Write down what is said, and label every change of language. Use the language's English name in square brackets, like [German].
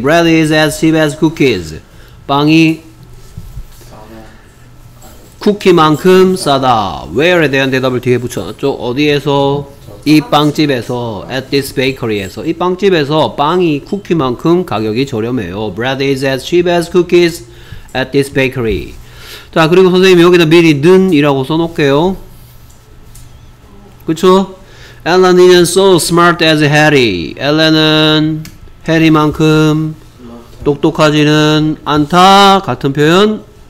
[English] Bread is as cheap as cookies. [Korean] 빵이 쿠키만큼 싸다. Where에 대한 대답을 뒤에 붙여놨죠. 어디에서? 이 빵집에서. [English] At this bakery에서. [Korean] 이 빵집에서 빵이 쿠키만큼 가격이 저렴해요. [English] Bread is as cheap as cookies at this bakery. [Korean] 자, 그리고 선생님 여기다 미리 는 이라고 써놓을게요. 그쵸? [English] Alan isn't so smart as Harry. [Korean] Alan은 Harry만큼 똑똑하지는 않다 같은 표현.